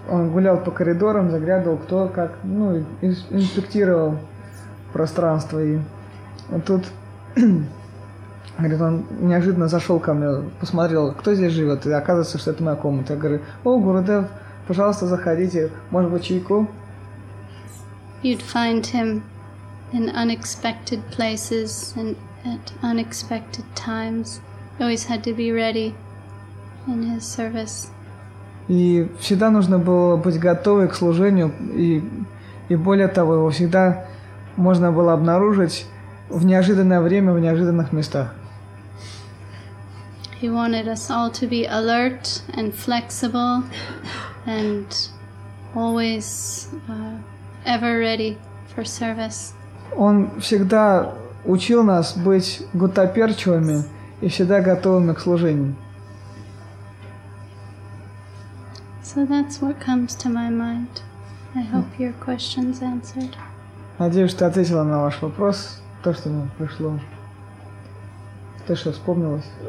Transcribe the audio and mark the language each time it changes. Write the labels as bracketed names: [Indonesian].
[Russian] Он гулял по коридорам, заглядывал, кто как, ну, инспектировал пространство. И вот тут, говорит, он неожиданно зашел ко мне, посмотрел, кто здесь живет, и оказывается, что это моя комната. Я говорю, о, Гурудев, пожалуйста, заходите, может быть, чайку? [English] You'd find him in unexpected places and at unexpected times. Always had to be ready in his service. [Russian] И всегда нужно было быть готовым к служению, и более того, его всегда можно было обнаружить в неожиданное время, в неожиданных местах. [English] He wanted us all to be alert and flexible and always ever ready for service. [Russian] Он всегда учил нас быть гуттаперчивыми и всегда готовыми к служению. [English] So that's what comes to my mind. I hope your question's answered. [Russian] Надеюсь, что ответила на ваш вопрос, то, что мне пришло, то, что вспомнилось.